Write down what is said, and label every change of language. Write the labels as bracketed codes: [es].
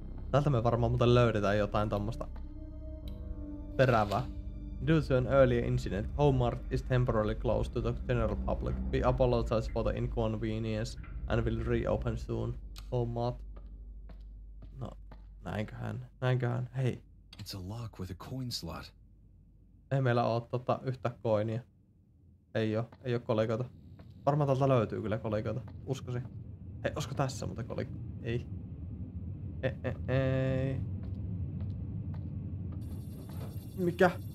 [fi] Täältä me varmaan muuten löydetään jotain tommosta terävää. [en] Due to an earlier incident, Homart is temporarily closed to the general public. We apologize for the inconvenience and will reopen soon. [fi] Omat. No, näinköhän. Hei. [en] It's a lock with a coin slot. [fi] Ei meillä oo tota yhtä coinia. Ei oo kolikoita. Varmaan tältä löytyy kyllä kolikoita. Uskosi. Hei, olisiko tässä muuten kolikko? Ei. Ei. Mikä?